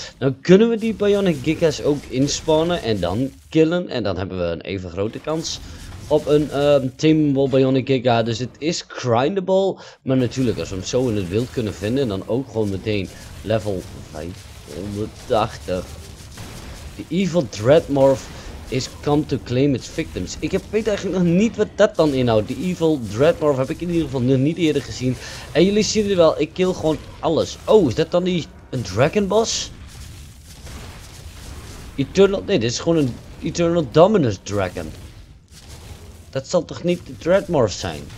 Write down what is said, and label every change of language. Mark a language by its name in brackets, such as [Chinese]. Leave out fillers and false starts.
[Dutch] Dan kunnen we die Bionic Gigas ook inspannen en dan killen. En dan hebben we een even grote kans op een Teamable Bionic Giga. Dus het is grindable. Maar natuurlijk, als we hem zo in het wild kunnen vinden, dan ook gewoon meteen level 580. [English] De Evil Dreadmorph is come to claim its victims. [Dutch] Ik weet eigenlijk nog niet wat dat dan inhoudt. De Evil Dreadmorph heb ik in ieder geval nog niet eerder gezien. En jullie zien het wel, ik kill gewoon alles. Oh, is dat dan die een Dragon Boss? Eternal, nee, dit is gewoon een Eternal Dominus Dragon. Dat zal toch niet de Dreadmorph zijn?